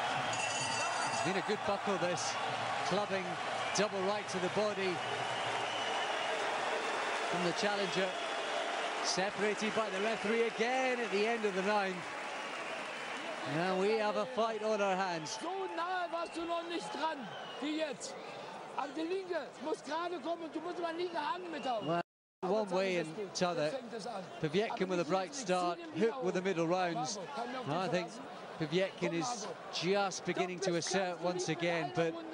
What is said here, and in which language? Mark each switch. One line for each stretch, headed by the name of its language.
English: It's been a good buckle, this. Clubbing double right to the body from the challenger. Separated by the referee again at the end of the ninth. Now we have a fight on our hands.
German: So nahe warst du noch nicht dran, wie jetzt. Aber die Linke muss gerade kommen, du musst mal Linke Hand mit haben.
English: One way and t'other. Povetkin with a bright start, Huck with the middle rounds. I think Povetkin is just beginning to assert once again, but...